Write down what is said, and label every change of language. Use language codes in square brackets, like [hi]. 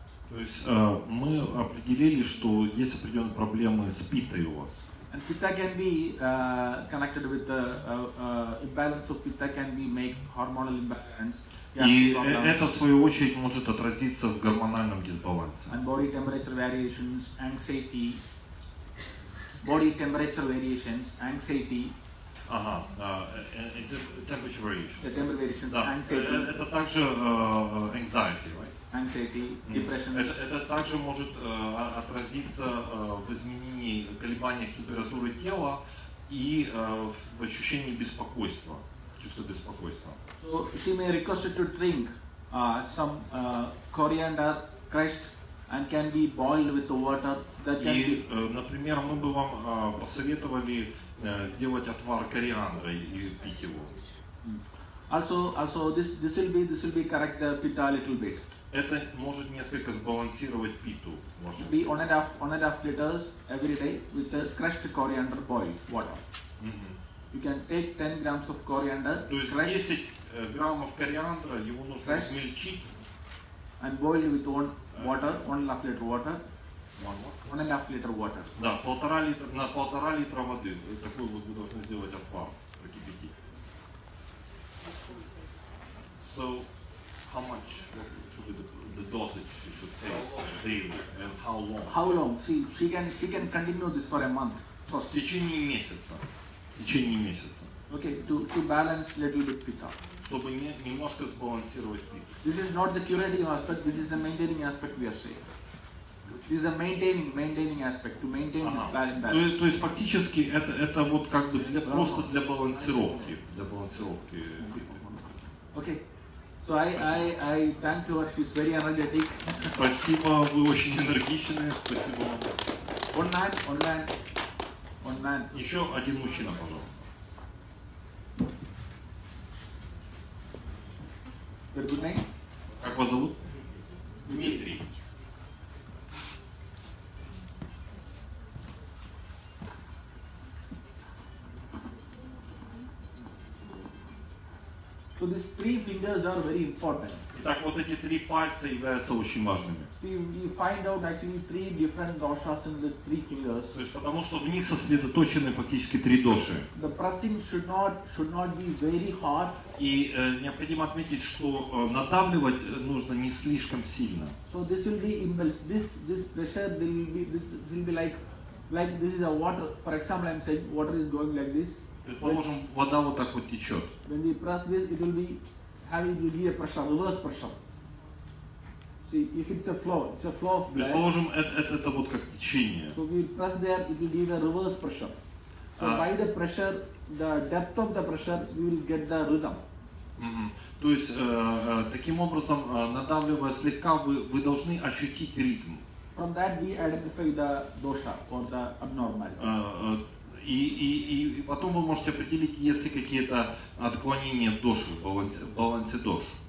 [ru] То есть мы определили, что есть определенные проблемы с питой у вас. [en] And pitta can be connected with the imbalance of pitta can be make hormonal imbalance. [ru] И это, в свою очередь, может отразиться в гормональном дисбалансе. [en] And body temperature variations, anxiety. Body temperature variations, anxiety. Ага, temperature variations. The temperature variations, да. Anxiety. Это также anxiety, right? Anxiety, depression. [ru] Это также может отразиться в изменении, колебаниях температуры тела и в ощущении беспокойства. Чувство беспокойства. [en] So she may request to drink some coriander crushed and can be boiled with the water that can [ru] и, например, мы бы вам посоветовали сделать отвар кориандра и пить его. [en] Also this will be correct the pitta a little bit. [ru] Это может несколько сбалансировать питу. Может [en] be 1.5 liters every day with the crushed coriander boiled water. You can take 10 grams of coriander. [ru] То есть 10 граммов кориандра, его нужно измельчить. [en] And boil it with one and a half liter water. One and a half liter water. [ru] Да, полтора литра, на полтора литра воды. Такой вот вы должны сделать отвар, прокипятить. [en] So, how much should the dosage should take daily and how long? How long? See, she can continue this for a month. First. [ru] В течение месяца. В течение месяца. [en] Okay, to balance little bit pitta. [ru] Чтобы немножко сбалансировать питу. [en] This is not the curative aspect, this is the maintaining aspect we are saying. This is the maintaining aspect, to maintain this balance. [ru] То есть фактически это вот как бы для, просто для балансировки. Для балансировки. [en] Okay. So I thank you, she's very energetic. [ru] Спасибо, вы очень энергичные, спасибо вам. [en] One man. [ru] Еще один мужчина, пожалуйста. [en] Your good name? [ru] Как вас зовут? Дмитрий. [en] So these three fingers are very important. [ru] Итак, вот эти три пальца являются очень важными. [en] See, we find out actually three different doshas in these three fingers. [ru] То есть потому что в них сосредоточены фактически три доши. [en] The pressing should not be very hard. [ru] И необходимо отметить, что надавливать нужно не слишком сильно. [en] So this will be impulse. This pressure will be like this is a water. For example, I'm saying water is going like this. [ru] Предположим, when, вода вот так вот течет. [en] When we press this, it will be having to give a pressure, reverse pressure. See, if it's a flow, it's a flow of blood. [ru] Предположим, это вот как течение. [en] So we press there, it will give a reverse pressure. So by the pressure, the depth of the pressure, we will get the rhythm. [ru] То есть таким образом, надавливая слегка, вы должны ощутить ритм. [en] From that we identify the dosha or the abnormality. [ru] И потом вы можете определить, есть ли какие-то отклонения в доше, в балансе дош.